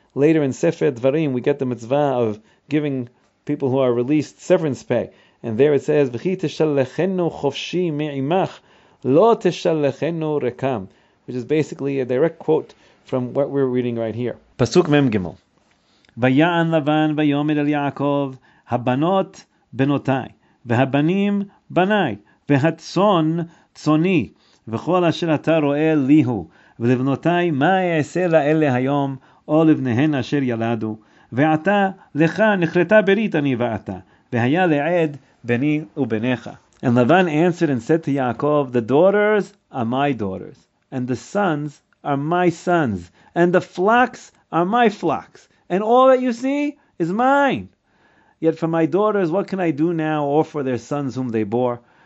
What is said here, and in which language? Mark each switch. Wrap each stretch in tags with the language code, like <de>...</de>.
<en>Later in Sefer Dvarim, we get the mitzvah of giving people who are released severance pay. And there it says,</en> <he>v'chi teshalechenu chofshi mi'imach, lo teshalechenu rekam,</he> <en>which is basically a direct quote from what we're reading right here.</en> <he>Pasuk Mem Gimel. V'ya'an Lavan v'yomid el Yaakov, habanot benotai, v'habanim banai, והצון צוני, וכל אשר אתה רואה לי הוא, ולבנותיי מה אעשה לאלה היום, או לבניהן אשר ילדו, ועתה לך נחרטה ברית אני ואתה, והיה לעד ביני וביניך.</he> <en>And Laban answered and said to Yaakov, the daughters are my daughters, and the sons are my sons, and the flocks are my flocks, and all that you see is mine. Yet for my daughters, what can I do now, or for their sons whom they bore?</en>